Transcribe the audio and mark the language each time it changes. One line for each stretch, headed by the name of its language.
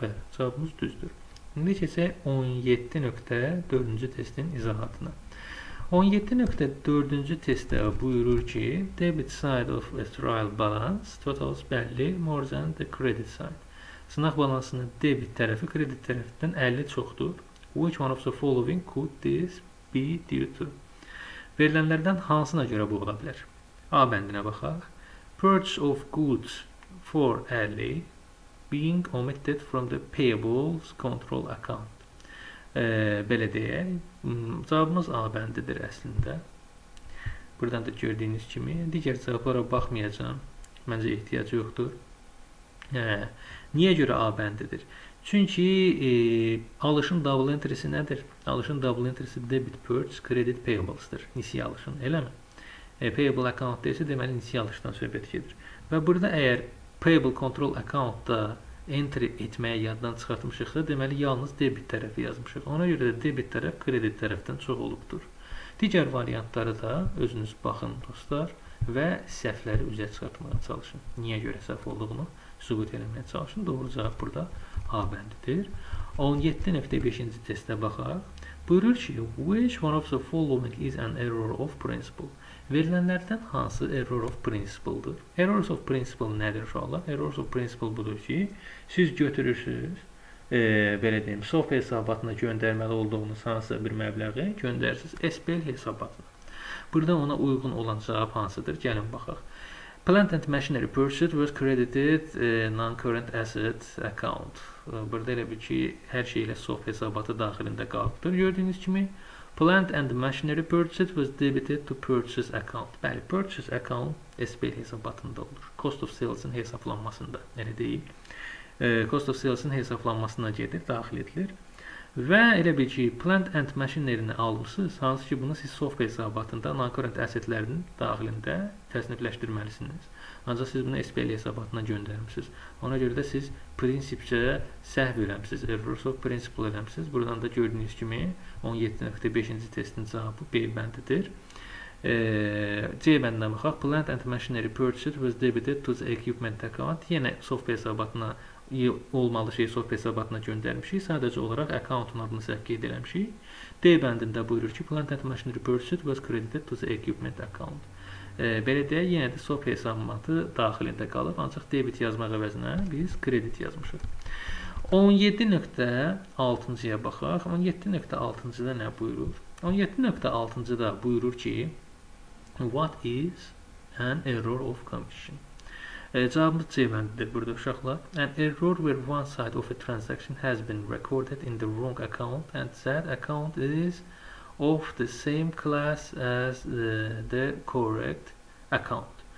Azerbaijani: Bəli, cavabımız düzdür. İndi keçək 17.4-cü testin izahatına. 17.4-cü testdə buyurur ki,
English: debit side of a trial balance totals belli more than the credit side.
Azerbaijani: Sınaq balansının debit tərəfi kredit tərəfindən 50 çoxdur.
English: Which one of the following could this be due to?
Azerbaijani: Verilənlərdən hansına görə bu ola bilər? A bəndinə baxaq.
English: Purchase of goods for 50 being omitted from the payables control account.
Azerbaijani: Belə deyək, cavabımız A bəndidir əslində. Buradan da gördüyünüz kimi, digər cavablara baxmayacağım. Məncə ehtiyacı yoxdur. Niyə görə A bəndidir? Çünki alışın double entry-si nədir? Alışın double entry-si debit purchase, credit payables-dır. Nisiyə alışın, elə mi? Payable account deyilsin, deməli nisiyə alışdan söhbət gedir. Və burada əgər payable control account-da entry etməyə yaddan çıxartmışıqsa, deməli yalnız debit tərəfi yazmışıq. Ona görə də debit tərəf kredit tərəfdən çox olubdur. Digər variantları da özünüz baxın dostlar və səhvləri üzə çıxartmağa çalışın. Niyə görə səhv olduğunu sübut eləməyə çalışın. Doğru cavab burada A bəndidir. 17.5-ci testə baxaq. Buyurur ki,
English: which one of the following is an error of principle?
Azerbaijani: Verilənlərdən hansı error of principle-dır? Errors of principle nədir uşaqlar? Errors of principle budur ki, siz götürürsünüz, belə deyim, SOP hesabatına göndərməli olduğunuz hansısa bir məbləği göndərirsiniz SPL hesabatına. Burada ona uyğun olan cavab hansıdır? Gəlin baxaq.
English: Plant and machinery purchased was credited non-current asset account.
Azerbaijani: Burada elə bil ki, hər şey ilə SOP hesabatı daxilində qalıbdır. Gördüyünüz kimi,
English: plant and machinery purchased was debited to purchase account.
Azerbaijani: Bəli, purchase account SPL hesabatında olur. Cost of sales-in hesablanmasında. Elə deyil. Cost of sales-in hesablanmasına gedir, daxil edilir. Və elə bil ki, plant and machinery-ni almışsınız, hansı ki bunu siz SOP hesabatında non-current asset-lərinin daxilində təsnifləşdirməlisiniz. Ancaq siz bunu SPL hesabatına göndərmişsiniz. Ona görə də siz prinsipcə səhv eləmişsiniz. Errors of principle eləmişsiniz. Buradan da gördüyünüz kimi 17.5-ci testin cavabı B bəndidir. C bəndindən baxaq.
English: Plant and machinery purchased was debited to the equipment account.
Azerbaijani: Yenə SOP hesabatına olmalı şey SOP hesabatına göndərmişik. Sadəcə olaraq accountun adını səhv qeyd eləmişik. D bəndində buyurur ki,
English: plant and machinery purchased was credited to the equipment account.
Azerbaijani: Belə deyə, yenə də SOP hesabatı daxilində qalıb, ancaq debit yazmaq əvəzinə biz kredit yazmışıq. 17.6-cıya baxaq. 17.6-cıda nə buyurur? 17.6-cıda buyurur ki,
English: what is an error of commission?
Azerbaijani: Cavabımız C bəndidir burada uşaqlar.
English: An error where one side of a transaction has been recorded in the wrong account and that account is of the same class as the correct account.